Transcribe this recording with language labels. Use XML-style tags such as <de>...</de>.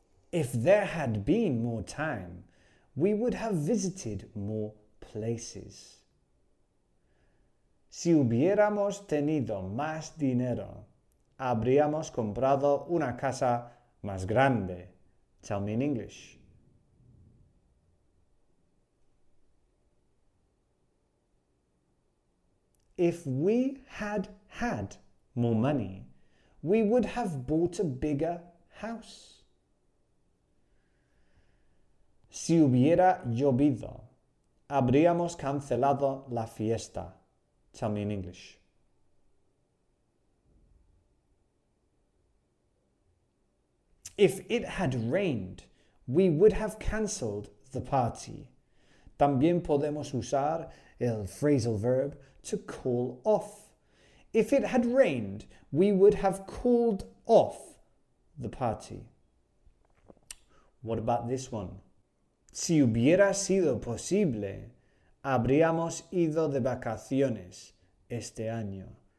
<en>If there had been more time, we would have visited more places.</en> <es>Si hubiéramos tenido más dinero, habríamos comprado una casa más grande.</es> <en>Tell me in English. If we had had more money, we would have bought a bigger house.</en> <es>Si hubiera llovido, habríamos cancelado la fiesta.</es> <en>Tell me in English. If it had rained, we would have cancelled the party.</en> <es>También podemos usar el phrasal verb to call off.</es> <en>If it had rained, we would have called off the party. What about this one?</en> <es>Si hubiera sido posible, habríamos ido de vacaciones este año.</es>